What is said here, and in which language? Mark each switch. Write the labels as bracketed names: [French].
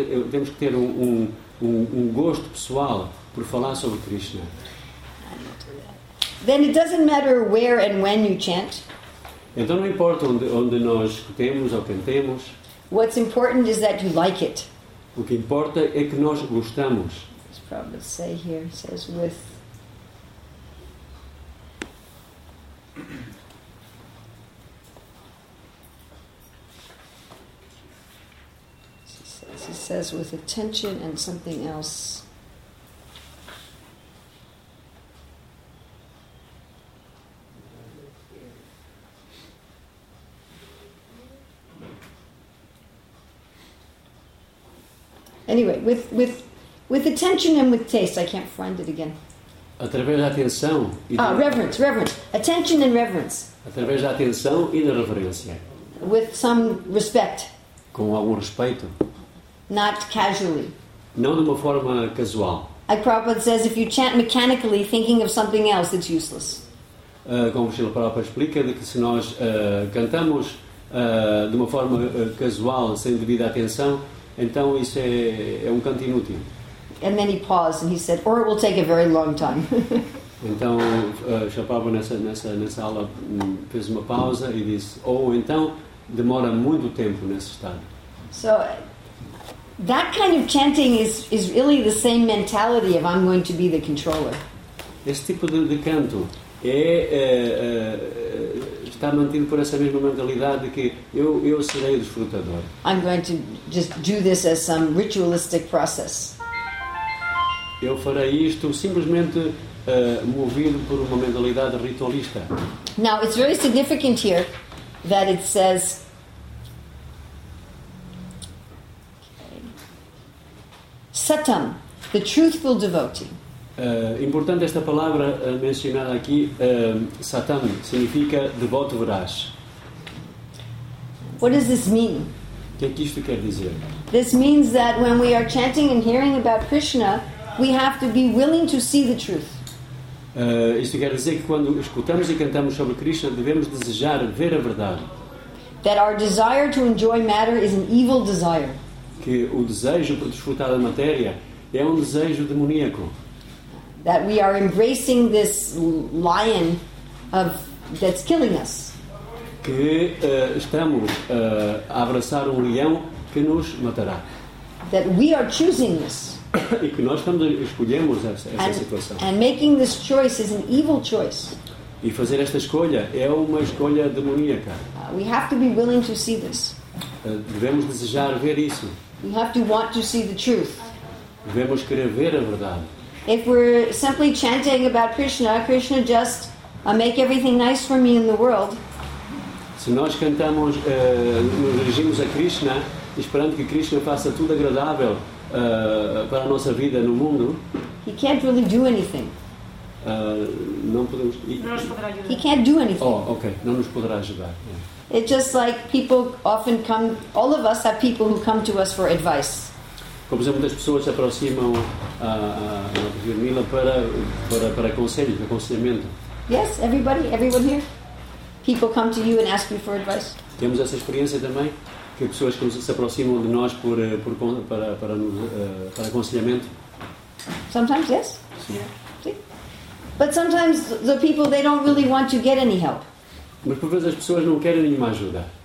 [Portuguese] Temos que ter um gosto pessoal por falar sobre Krishna. [English] Then it doesn't matter where and when you chant. [Portuguese] Então não importa onde nós escutemos ou cantemos. [English] What's important is that you like it. [Portuguese] O que importa é que nós gostamos. [English] Prabhupada say here, it says with. He says with attention and something else. Anyway, with attention and with taste, I can't find it again. [Portuguese] Através da atenção e [English] da reverence. Attention and reverence. [Portuguese] Através da atenção e da reverência. [English] With some respect. [Portuguese] Com algum respeito. [English] Not casually. [Portuguese] Não de uma forma casual. [English] Like Prabhupada says, if you chant mechanically, thinking of something else, it's useless. [Portuguese] como o Srila Prabhupada explica, de que se nós cantamos de uma forma casual, sem devida atenção, então isso é um canto inútil. [English] And then he paused and he said, or it will take a very long time. [Portuguese] Então, Srila Prabhupada nessa aula fez uma pausa e disse, ou então demora muito tempo nesse estado. [English] So, that kind of chanting is really the same mentality of I'm going to be the controller. [Portuguese] Esse tipo de canto está mantido por essa mesma mentalidade de que eu serei o desfrutador. [English] I'm going to just do this as some ritualistic process. [Portuguese] Eu farei isto simplesmente movido por uma mentalidade ritualista. [English] Now, it's very significant here that it says... Satam, the truthful devotee. [Portuguese] Importante esta palavra mencionada aqui, Satam, significa devoto veraz. [English] What does this mean? [Portuguese] O que é que isto quer dizer? [English] This means that when we are chanting and hearing about Krishna, we have to be willing to see the truth. [Portuguese] Isto quer dizer que quando escutamos e cantamos sobre Krishna, devemos desejar ver a verdade. [English] That our desire to enjoy matter is an evil desire. [Portuguese] Que o desejo por desfrutar da matéria é um desejo demoníaco. [English] That we are embracing this lion of that's killing us. [Portuguese] Que estamos a abraçar um leão que nos matará. [English] That we are choosing this. [Portuguese] E que nós estamos escolhemos essa situação. [English] And making this choice is an evil choice. [Portuguese] E fazer esta escolha é uma escolha demoníaca. [English] We have to be willing to see this. [Portuguese] Devemos desejar ver isso. [English] We have to want to see the truth. [Portuguese] Devemos querer ver a verdade. [English] If we're simply chanting about Krishna, Krishna just make everything nice for me in the world. [Portuguese] Se nós cantamos, nos dirigimos a Krishna, esperando que Krishna faça tudo agradável para a nossa vida no mundo. [English] He can't really do anything. He can't do anything. [Portuguese] Oh, okay. Não nos poderá ajudar. Yeah. [English] It's just like people often come. All of us have people who come to us for advice. [Portuguese] Como sempre, muitas pessoas se aproximam a Virmila para conselhos, para aconselhamento. [English] Yes, everyone here. People come to you and ask you for advice. [Portuguese] Temos essa experiência também, que pessoas que se aproximam de nós para aconselhamento. [English] Sometimes yes. [Portuguese] Sim. [English] But sometimes the people they don't really want to get any help. [Portuguese] Mas por vezes as pessoas não querem nenhuma ajuda.